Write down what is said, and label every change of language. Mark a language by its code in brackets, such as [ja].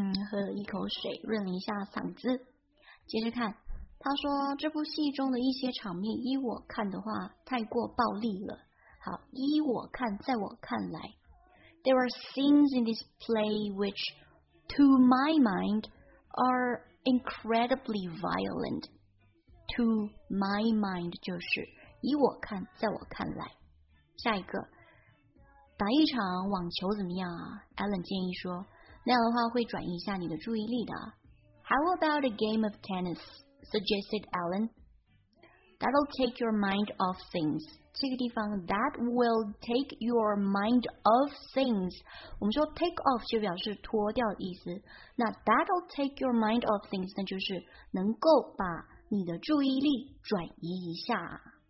[zh] 喝了一口水润了一下嗓子，接着看。他说这部戏中的一些场面依我看的话太过暴力了。 [en] 好，依我看，在我看来 There are scenes in this play which to my mind are incredibly violent。 [zh] to my mind 就是以我看，在我看来。下一个，打一场网球怎么样啊？ Alan 建议说，那样的话会转移一下你的注意力的。 [en] How about a game of tennis? Suggested Alan. That'll take your mind off things. 这个地方 that will take your mind off things. [zh] 我们说 take off 就表示脱掉的意思。那 that'll take your mind off things 那就是能够把你的注意力转移一下。